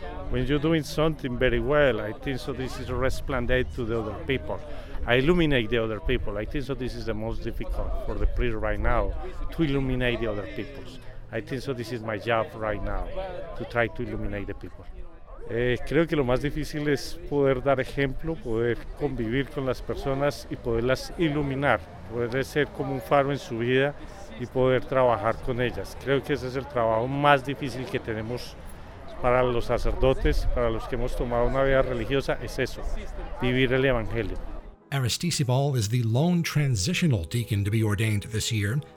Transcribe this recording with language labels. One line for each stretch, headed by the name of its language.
English: When you're doing something very well, I think so this is a resplendent to the other people. I illuminate the other people. I think so this is the most difficult for the priest right now, to illuminate the other people. I think so this is my job right now, to try to illuminate the people.
Spanish: Creo que lo más difícil es poder dar ejemplo, poder convivir con las personas y poderlas iluminar, poder ser como un faro en su vida y poder trabajar con ellas. Creo que ese es el trabajo más difícil que tenemos para los sacerdotes, para los que hemos tomado una vida religiosa, es eso, vivir el Evangelio.
English: Aristizabal is the lone transitional deacon to be ordained this year.